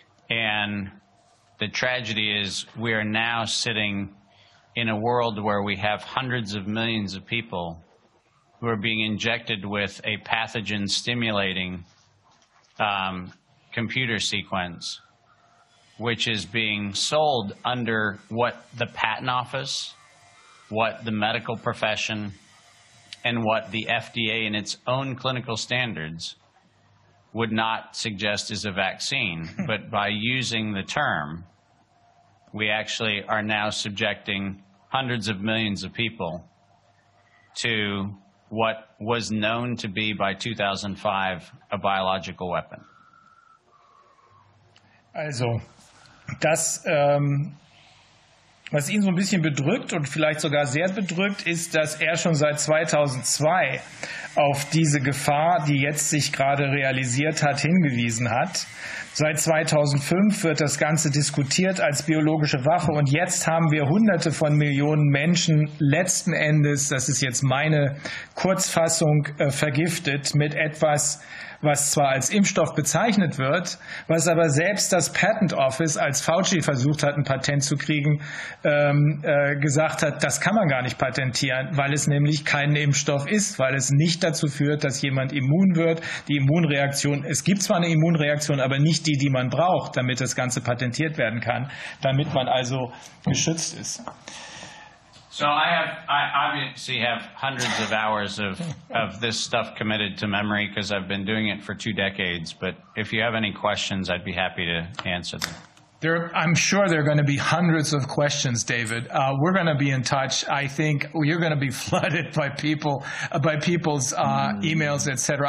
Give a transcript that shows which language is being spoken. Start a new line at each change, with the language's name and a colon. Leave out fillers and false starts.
English: And the tragedy is we are now sitting in a world where we have hundreds of millions of people who are being injected with a pathogen stimulating computer sequence, which is being sold under what the patent office, what the medical profession, and what the FDA in its own clinical standards would not suggest is a vaccine. But by using the term, we actually are now subjecting hundreds of millions of people to what was known to be by 2005 a biological weapon.
German: Also, das, was ihn so ein bisschen bedrückt und vielleicht sogar sehr bedrückt, ist, dass er schon seit 2002 auf diese Gefahr, die jetzt sich gerade realisiert hat, hingewiesen hat. Seit 2005 wird das Ganze diskutiert als biologische Waffe und jetzt haben wir hunderte von Millionen Menschen letzten Endes, das ist jetzt meine Kurzfassung, vergiftet mit etwas, was zwar als Impfstoff bezeichnet wird, was aber selbst das Patent Office, als Fauci versucht hat, ein Patent zu kriegen, gesagt hat, das kann man gar nicht patentieren, weil es nämlich kein Impfstoff ist, weil es nicht dazu führt, dass jemand immun wird. Die Immunreaktion, es gibt zwar eine Immunreaktion, aber nicht die, die man braucht, damit das Ganze patentiert werden kann, damit man also geschützt ist.
English: So I obviously have hundreds of hours of this stuff committed to memory because I've been doing it for two decades. But if you have any questions, I'd be happy to answer them. I'm sure there are going to be hundreds of questions, David. We're going to be in touch. I think you're going to be flooded by people, by people's emails, etc.